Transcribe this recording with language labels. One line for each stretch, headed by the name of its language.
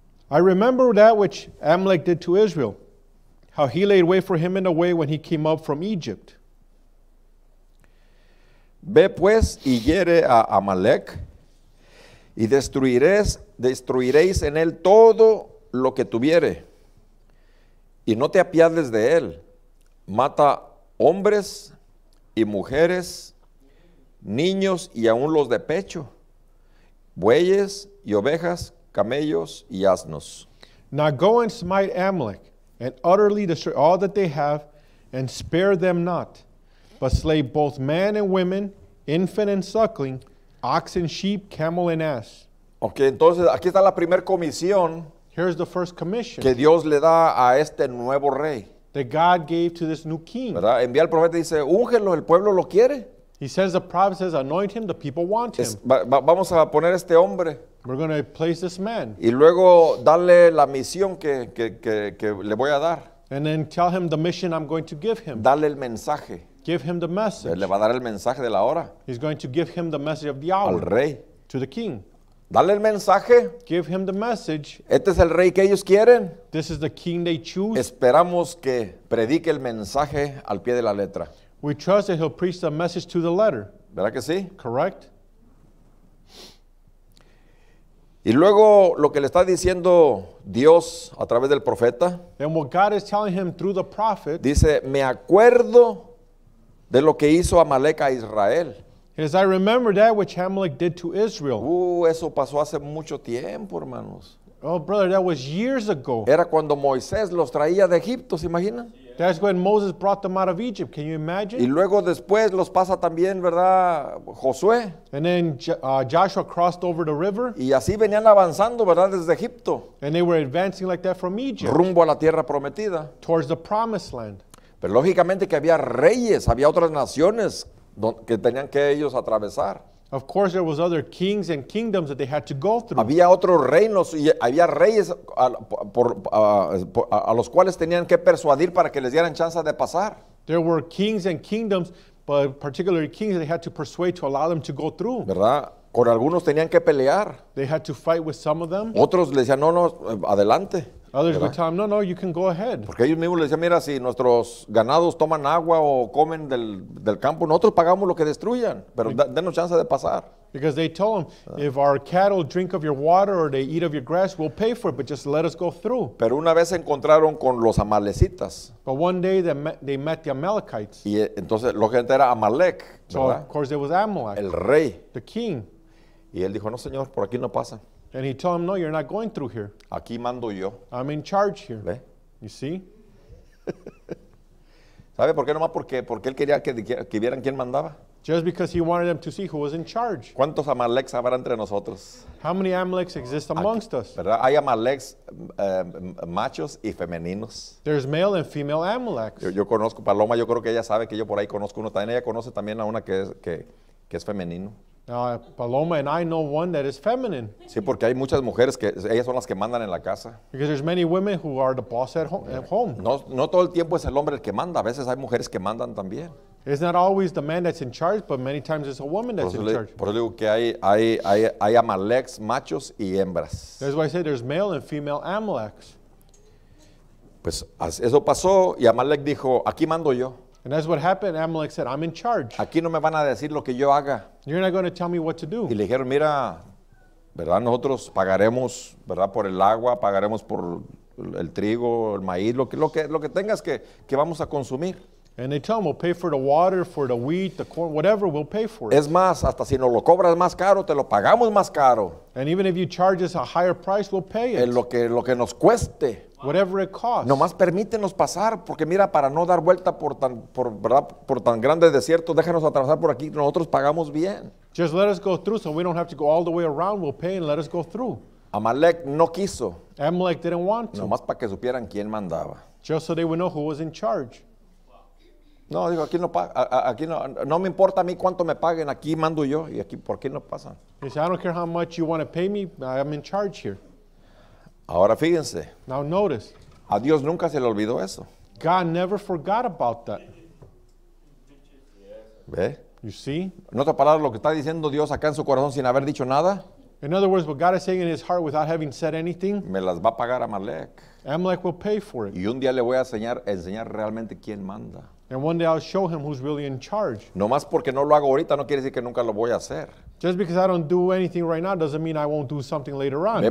English: I remember that which Amalek did to Israel, how he laid way for him in the way when he came up from Egypt.
Spanish: Ve pues y hiere a Amalek y destruiréis en él todo lo que tuviere y no te apiades de él. Mata hombres y mujeres, niños y aun los de pecho, bueyes y ovejas, camellos y asnos.
English: Now go and smite Amalek and utterly destroy all that they have and spare them not, but slay both man and women, infant and suckling, oxen, sheep, camel and ass.
Spanish: Okay, entonces aquí está la primera comisión.
English: Here's the first commission.
Spanish: Que Dios le da a este nuevo rey.
English: That God gave to this new king.
Spanish: ¿Verdad? Envía al profeta y dice, úngelo, el pueblo lo quiere.
English: He says the prophet says, anoint him, the people want him.
Spanish: Vamos a poner este hombre.
English: We're going to place this man.
Spanish: Y luego darle la misión que le voy a dar.
English: And then tell him the mission I'm going to give him.
Spanish: Dale el mensaje.
English: Give him the message.
Spanish: Le va a dar el mensaje de la hora.
English: He's going to give him the message of the hour.
Spanish: Al rey.
English: To the king.
Spanish: Dale el mensaje.
English: Give him the message.
Spanish: Este es el rey que ellos quieren.
English: This is the king they choose.
Spanish: Esperamos que predique el mensaje al pie de la letra.
English: We trust that he'll preach the message to the letter.
Spanish: ¿Verdad que sí?
English: Correct.
Spanish: Y luego lo que le está diciendo Dios a través del profeta.
English: And what God is telling him through the prophet.
Spanish: Dice, me acuerdo de lo que hizo Amalek a Israel.
English: As I remember that which Amalek did to Israel.
Spanish: Eso pasó hace mucho tiempo, hermanos.
English: Oh, brother, that was years ago.
Spanish: Era cuando Moisés los traía de Egipto, ¿se imaginan?
English: Yeah. That's when Moses brought them out of Egypt. Can you imagine?
Spanish: Y luego después los pasa también, ¿verdad, Josué?
English: And then Joshua crossed over the river.
Spanish: Y así venían avanzando, ¿verdad, desde Egipto?
English: And they were advancing like that from Egypt.
Spanish: Rumbo a la tierra prometida.
English: Towards the promised land.
Spanish: Pero lógicamente que había reyes, había otras naciones que tenían que ellos atravesar.
English: Of course there was other kings and kingdoms that they had to go through.
Spanish: Había otros reinos y había reyes a los cuales tenían que persuadir para que les dieran chance de pasar.
English: There were kings and kingdoms, but particularly kings that they had to persuade to allow them to go through.
Spanish: ¿Verdad? Con algunos tenían que pelear.
English: They had to fight with some of them.
Spanish: Otros les decían, no, adelante.
English: Others would tell him, no, no, you can go ahead.
Spanish: Porque ellos mismos le decían, mira, si nuestros ganados toman agua o comen del campo, nosotros pagamos lo que destruyan, pero denos chance de pasar.
English: Because they told him, if our cattle drink of your water or they eat of your grass, we'll pay for it, but just let us go through.
Spanish: Pero una vez se encontraron con los amalecitas.
English: But one day they met the Amalekites.
Spanish: Y entonces lo que gente era Amalek, ¿verdad?
English: So of course it was Amalek.
Spanish: El rey.
English: The king.
Spanish: Y él dijo, no señor, por aquí no pasa.
English: And he told him, no, you're not going through here.
Spanish: Aquí mando yo.
English: I'm in charge here.
Spanish: ¿Ve?
English: You see?
Spanish: ¿Sabe por qué? Nomás porque él quería que vieran quién mandaba.
English: Just because he wanted them to see who was in charge.
Spanish: ¿Cuántos Amaleks habrá entre nosotros?
English: How many Amaleks exist amongst us?
Spanish: ¿Verdad? Hay Amaleks machos y femeninos.
English: There's male and female Amaleks.
Spanish: Yo conozco Paloma, yo creo que ella sabe que yo por ahí conozco uno. También ella conoce también a una que es femenino.
English: Paloma and I know one that is feminine.
Spanish: Sí, porque hay muchas mujeres que ellas son las que mandan en la casa.
English: Because there's many women who are the boss at home.
Spanish: No todo el tiempo es el hombre el que manda. A veces hay mujeres que mandan también.
English: It's not always the man that's in charge, but many times it's a woman that's in charge.
Spanish: Por eso digo que hay Amaleks machos y hembras.
English: That's why I say there's male and female Amaleks.
Spanish: Pues eso pasó y Amalek dijo, aquí mando yo.
English: And that's what happened. Amalek said, I'm in charge.
Spanish: Aquí no me van a decir lo que yo haga.
English: You're not going to tell me what to do.
Spanish: Y le dijeron, mira, ¿verdad? Nosotros pagaremos, ¿verdad? Por el agua, pagaremos por el trigo, el maíz, lo que tengas que vamos a consumir.
English: And they tell him, we'll pay for the water, for the wheat, the corn, whatever, we'll pay for it.
Spanish: Es más, hasta si nos lo cobras más caro, te lo pagamos más caro.
English: And even if you charge us a higher price, we'll pay it.
Spanish: Lo que nos cueste.
English: Whatever it costs.
Spanish: Nomás permítenos pasar, porque mira, para no dar vuelta por tan grande desierto, déjanos atravesar por aquí, nosotros pagamos bien.
English: Just let us go through, so we don't have to go all the way around, we'll pay and let us go through.
Spanish: Amalek no quiso.
English: Amalek didn't want to.
Spanish: Nomás para que supieran quién mandaba.
English: Just so they would know who was in charge.
Spanish: No, digo, aquí no me importa a mí cuánto me paguen, aquí mando yo, y aquí, ¿por qué no pasan?
English: He said, I don't care how much you want to pay me, I'm in charge here.
Spanish: Ahora fíjense.
English: Now notice.
Spanish: A Dios nunca se le olvidó eso.
English: God never forgot about that.
Spanish: ¿Ve?
English: You see?
Spanish: En otra palabra, lo que está diciendo Dios acá en su corazón sin haber dicho nada.
English: In other words, what God is saying in his heart without having said anything.
Spanish: Me las va a pagar Amalek.
English: Amalek will pay for it.
Spanish: Y un día le voy a enseñar realmente quién manda.
English: And one day I'll show him who's really in charge.
Spanish: No más porque no lo hago ahorita no quiere decir que nunca lo voy a hacer.
English: Just because I don't do anything right now doesn't mean I won't do something later on.